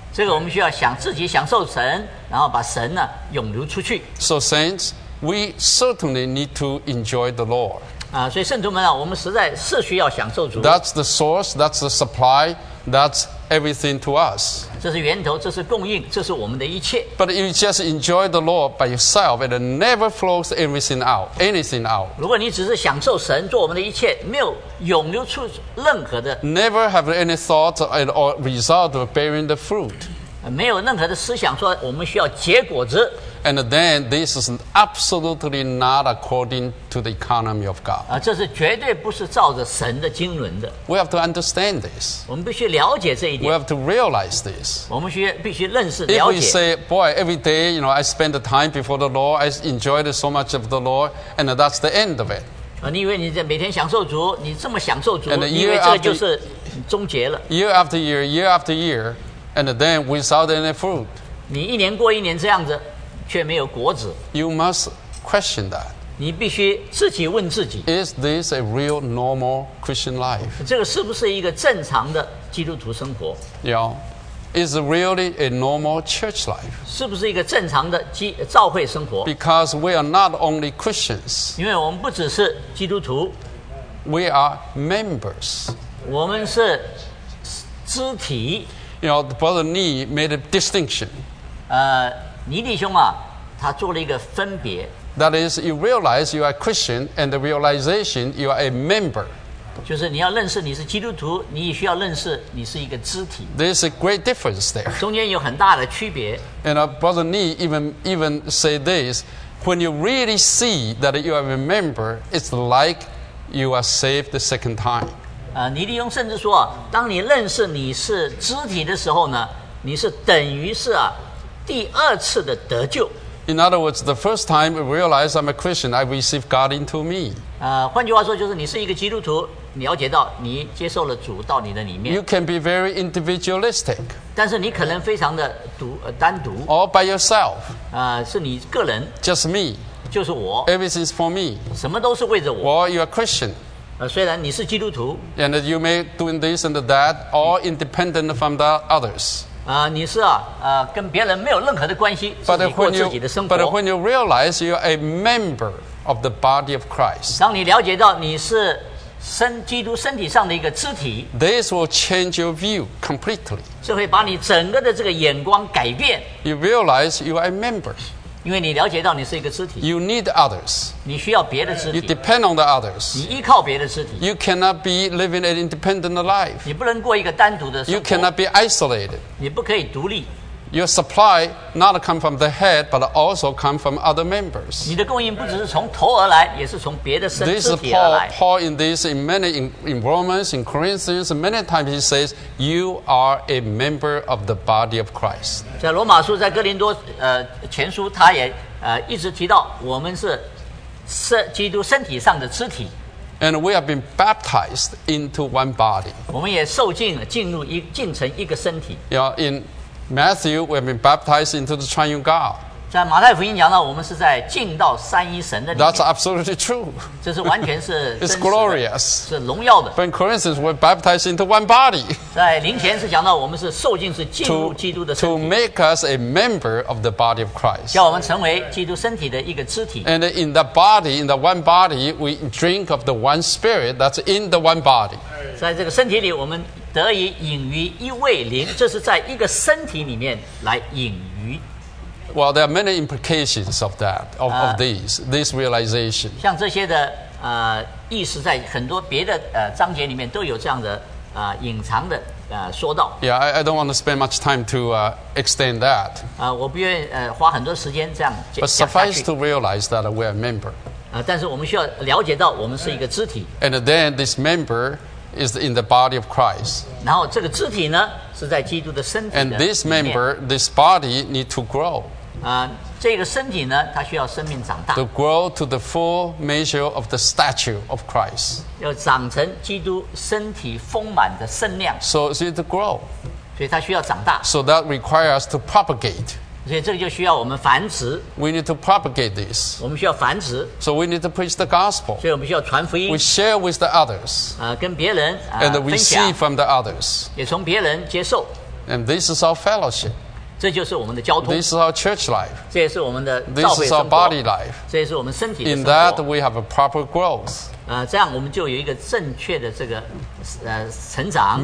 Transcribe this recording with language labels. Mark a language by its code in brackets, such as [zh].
[zh] 这个我们需要想自己享受神，然后把神呢涌流出去。 [en] So saints, we certainly need to enjoy the Lord. [zh] 啊，所以圣徒们啊，我们实在是需要享受主。 [en] That's the source. That's the supply. That's everything to us. [zh] 这是源头，这是供应，这是我们的一切。 [en] But if you just enjoy the Lord by yourself, it never flows everything out, anything out. [zh] 如果你只是享受神做我们的一切，没有涌流出任何的。 [en] Never have any thought or result of bearing the fruit. [zh] 没有任何的思想说我们需要结果子。 [en] And then this is absolutely not according to the economy of God. [zh] 这是绝对不是照着神的经纶的。 [en] We have to understand this. [zh] 我们必须了解这一点。 [en] We have to realize this. [zh] 我们必须认识了解。 [en] If we say, boy, every day, you know, I spend the time before the Lord, I enjoy so much of the Lord, and that's the end of it. [zh] 你以为你每天享受主，你这么享受主，你以为这就是终结了。 [en] Year after year, year after year, and then without any fruit. [zh] 你一年过一年这样子。却没有果子。 [en] You must question that. [zh] 你必须自己问自己。 [en] Is this a real normal Christian life? [zh] 这个是不是一个正常的基督徒生活？ [en] Yeah. Is it really a normal church life? [zh] 是不是一个正常的教会生活？ [en] Because we are not only Christians. [zh] 因为我们不只是基督徒。 [en] We are members. [zh] 我们是肢体。 [en] You know, Brother Lee made a distinction. [zh] 尼弟兄啊，他做了一个分别。 [en] That is, you realize you are Christian, and the realization you are a member. [zh] 就是你要认识你是基督徒，你也需要认识你是一个肢体。 [en] There is a great difference there. [zh] 中间有很大的区别。 [en] And Brother Lee even say this: when you really see that you are a member, it's like you are saved the second time. [zh] 尼弟兄甚至说，当你认识你是肢体的时候呢，你是等于是啊。第二次的得救。 [en] In other words, the first time I realize I'm a Christian, I receive God into me. [zh] 换句话说，就是你是一个基督徒，了解到你接受了主到你的里面。 [en] You can be very individualistic. [zh] 但是你可能非常的单独。 [en] All by yourself. [zh] 是你个人。 [en] Just me. [zh] 就是我。 [en] Everything's for me. [zh] 什么都是为着我。 [en] Well, you are Christian. [zh] 虽然你是基督徒。 [en] And you may do this and that, all independent from the others. [zh] 你是啊，跟别人没有任何的关系，自己过自己的生活。 [en] But when you realize you're a member of the body of Christ, [zh] 当你了解到你是基督身体上的一个肢体 [en] ，this will change your view completely. [zh] 这会把你整个的这个眼光改变。 [en] You realize you're a member, [zh] 因为你了解到你是一个肢体。 [en] You need others. [zh] 你需要别的肢体。 [en] You depend on the others. [zh] 你依靠别的肢体。 [en] You cannot be living an independent life. [zh] 你不能过一个单独的生活。 [en] You cannot be isolated. [zh] 你不可以独立。 [en] Your supply not come from the head, but also come from other members. [zh] 你的供应不只是从头而来，也是从别的身体而来。 [en] This is Paul in this in many in Romans, in Corinthians, many times he says, "You are a member of the body of Christ." [zh] 在罗马书，在哥林多前书，他也一直提到我们是基督身体上的肢体。 [en] And we have been baptized into one body. [zh] 我们也受浸了，进成一个身体。 [en] Yeah, in Matthew, we have been baptized into the triune God. [zh] 在马太福音讲到，我们是在进到三一神的里面。 [en] That's absolutely true. [zh] 这是完全是真实的。 [en] It's glorious. [zh] 是荣耀的。 [en] But in Corinthians, we're baptized into one body. [zh] 在灵前是讲到，我们是受浸，是进入基督的身体。 [en] To make us a member of the body of Christ. [zh] 叫我们成为基督身体的一个肢体。 [en] And in that body, in the one body, we drink of the one spirit that's in the one body. [zh] 在这个身体里，我们得以隐于一位灵，这是在一个身体里面来隐于。 [en] Well, there are many implications of that, of this realization. [zh] 像这些的意思，在很多别的章节里面都有这样的隐藏的说到。 [en] Yeah, I don't want to spend much time to extend that. [zh] 我不愿花很多时间这样讲下去。 [en] But suffice to realize that we are a member. [zh] 但是我们需要了解到我们是一个肢体。 [en] And then this member is in the body of Christ. [zh] 然后这个肢体呢是在基督的身体的里面。 [en] And this member, this body, need to grow. [zh] 这个身体呢它需要生命长大。 [en] To grow to the full measure of the stature of Christ. [zh] 要长成基督身体丰满的身量。 [en] So it needs to grow. [zh] 所以它需要长大。 [en] So that requires to propagate. [zh] 所以这个就需要我们繁殖。 [en] We need to propagate this. [zh] 我们需要繁殖。 [en] So we need to preach the gospel. [zh] 所以我们需要传福音。 [en] We share with the others. [zh] 跟别人分享。 [en] And receive from the others. [zh] 也从别人接受。 [en] And this is our fellowship. [zh] 这就是我们的交通。 [en] This is our church life. [zh] 这也是我们的教会生活。 [en] This is our body life. [zh] 这也是我们身体的生活。 [en] In that we have a proper growth. [zh] 这样我们就有一个正确的这个成长。